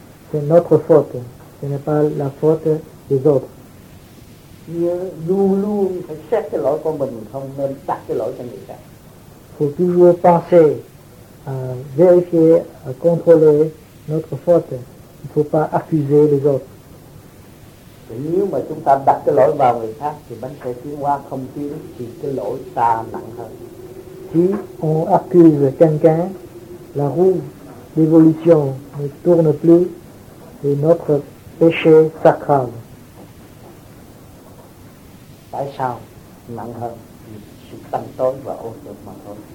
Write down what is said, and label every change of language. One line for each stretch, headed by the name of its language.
French: C'est notre faute, ce n'est pas la faute des autres. Il faut toujours penser à vérifier, à contrôler notre faute. Il ne faut pas accuser les autres.
Vietnamese: Nếu mà chúng ta đặt cái lỗi vào người khác thì bánh xe tiến hóa không tiến thì cái lỗi ta nặng hơn.
French: Si on accuse quelqu'un, la roue d'évolution ne tourne plus et notre péché s'aggrave.
Vietnamese: Tại sao nặng hơn? Sự tâm tối và ô uế mà thôi.